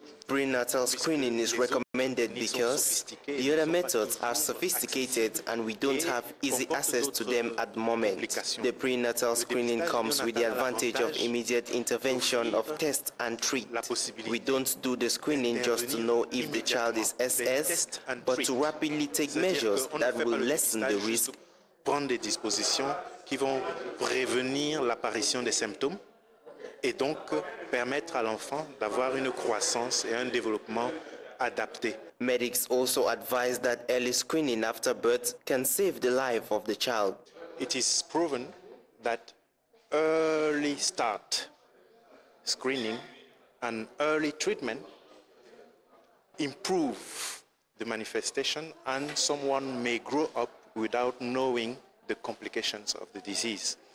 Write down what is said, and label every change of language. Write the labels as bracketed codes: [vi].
[en] Prenatal screening is recommended because the other methods are sophisticated and we don't have easy access to them at the moment. The prenatal screening comes with the advantage of immediate intervention of test and treat. We don't do the screening just to know if the child is SS, but to rapidly take measures that will lessen the risk. [fr] Prendre des dispositions qui vont prévenir l'apparition des symptômes. Et donc permettre à l'enfant d'avoir une croissance et un développement adapté. [en] Medics also advise that early screening after birth can save the life of the child. It is proven that early start screening and early treatment improve the manifestation and someone may grow up without knowing the complications of the disease.